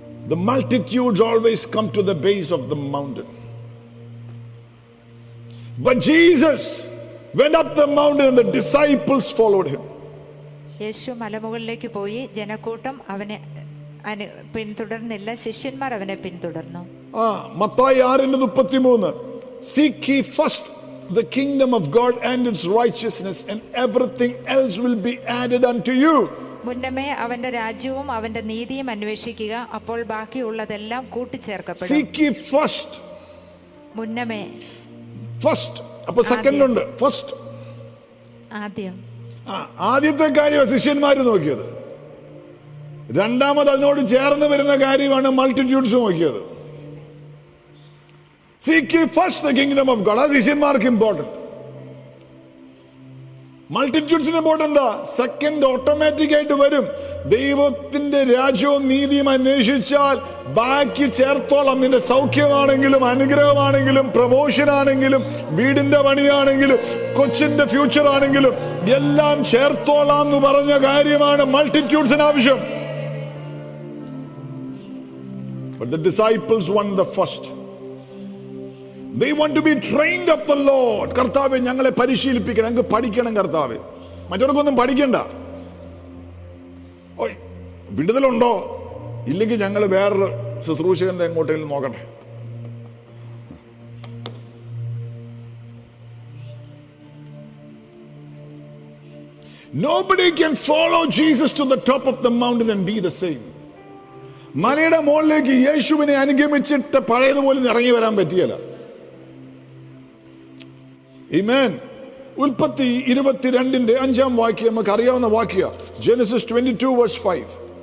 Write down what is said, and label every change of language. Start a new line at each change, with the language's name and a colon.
English: Multitudes always come to the base of the mountain. But Jesus went up the mountain and the disciples followed him.
Malayalam: യേശു മലമുകളിലേക്ക് പോയി, ജനക്കൂട്ടം അവനെ പിന്തുടർന്നില്ല, ശിഷ്യന്മാർ അവനെ പിന്തുടർന്നു. Mathai 6:33.
English: Seek ye first the kingdom of God and its righteousness, and everything else will be added unto you.
Malayalam: മുന്നമേ അവന്റെ രാജ്യവും അവന്റെ നീതിയും അന്വേഷിക്കുക, അപ്പോൾ ബാക്കിയുള്ളതെല്ലാം കൂട്ടിച്ചേർക്കപ്പെടും.
English: Seek ye first.
Malayalam: മുന്നമേ.
English: First.
Malayalam: അപ്പോൾ
English: second
Malayalam: ഉണ്ട്.
English: First.
Malayalam: ആദ്യം. ആദ്യത്തെ കാര്യം ശിഷ്യന്മാർ നോക്കിയത്. രണ്ടാമത് അതിനോട് ചേർന്ന് വരുന്ന കാര്യമാണ് മൾട്ടിറ്റ്യൂഡ്സ് നോക്കിയത്.
English: Seek ye first the kingdom of God.
Malayalam: ശിഷ്യന്മാർക്ക്
English: important.
Malayalam: മൾട്ടിറ്റ്യൂഡ്സ് ഇമ്പോർട്ടൻ്റ് എന്താ? സെക്കൻഡ് ഓട്ടോമാറ്റിക് ആയിട്ട് വരും. ദൈവത്തിന്റെ രാജ്യവും നീതിയും അന്വേഷിച്ചാൽ ബാക്കി ചേർത്തോളം. നിന്റെ സൗഖ്യമാണെങ്കിലും അനുഗ്രഹമാണെങ്കിലും പ്രമോഷനാണെങ്കിലും വീടിന്റെ പണിയാണെങ്കിലും കൊച്ചിന്റെ ഫ്യൂച്ചർ ആണെങ്കിലും എല്ലാം ചേർത്തോളാം എന്ന് പറഞ്ഞ കാര്യമാണ് മൾട്ടിറ്റ്യൂഡ്സിന് ആവശ്യം.
English: But the disciples won the first. They want to be trained of the Lord.
Malayalam: കർത്താവെ ഞങ്ങളെ പരിശീലിപ്പിക്കണം, ഞങ്ങൾക്ക് പഠിക്കണം കർത്താവെ. മറ്റവർക്കൊന്നും പഠിക്കണ്ട. ഓ വിടുതലുണ്ടോ? ഇല്ലെങ്കിൽ ഞങ്ങൾ വേറൊരു ശുശ്രൂഷകന്റെ എങ്ങോട്ടെങ്കിലും നോക്കട്ടെ.
English: Nobody can follow Jesus to the top of the mountain and be the same.
Malayalam: മലയുടെ മുകളിലേക്ക് യേശുവിനെ അനുഗമിച്ചിട്ട് പഴയതുപോലെ ഇറങ്ങി വരാൻ പറ്റിയല്ല. Amen. Ulpatti 22 inde 5th vakyam namak ariyavana vakya.
English: Genesis 22 verse 5.